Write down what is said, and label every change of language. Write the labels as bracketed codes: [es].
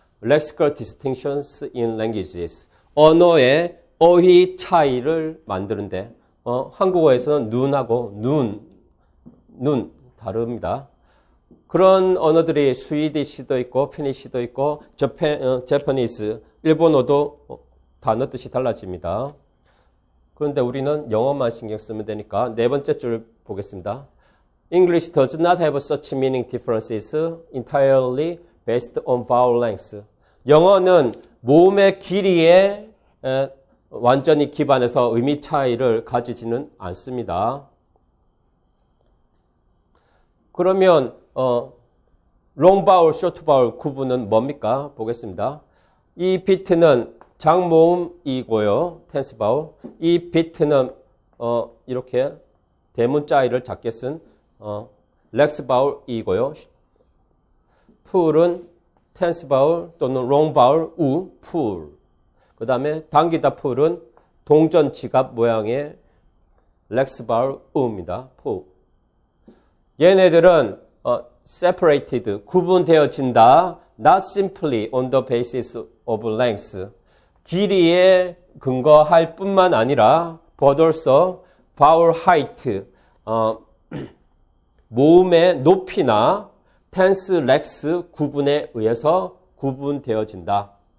[en] Lexical distinctions in languages [ko] 언어의 어휘 차이를 만드는데 한국어에서는 눈하고 눈 다릅니다. 그런 언어들이 스위디시도 있고 피니시도 있고 재퍼니스 일본어도 단어 뜻이 달라집니다. 그런데 우리는 영어만 신경 쓰면 되니까 네 번째 줄 보겠습니다. [en] English does not have such meaning differences entirely based on vowel lengths. [ko] 영어는 모음의 길이에 완전히 기반해서 의미 차이를 가지지는 않습니다. 그러면 long vowel, short vowel 구분은 뭡니까? 보겠습니다. 이 비트는 장모음이고요. [en] tense vowel. [ko] 이 비트는 이렇게 대문자 I를 작게 쓴 lex vowel이고요. 풀은 tense vowel 또는 long vowel, u, 풀. 그 다음에 당기다 풀은 동전 지갑 모양의 lex vowel, u입니다. 풀. 얘네들은 separated, 구분되어진다. [en] Not simply on the basis of length. [ko] 길이에 근거할 뿐만 아니라 [en] but also vowel height, [ko] 모음의 높이나 tense, lex 구분에 의해서 구분되어진다.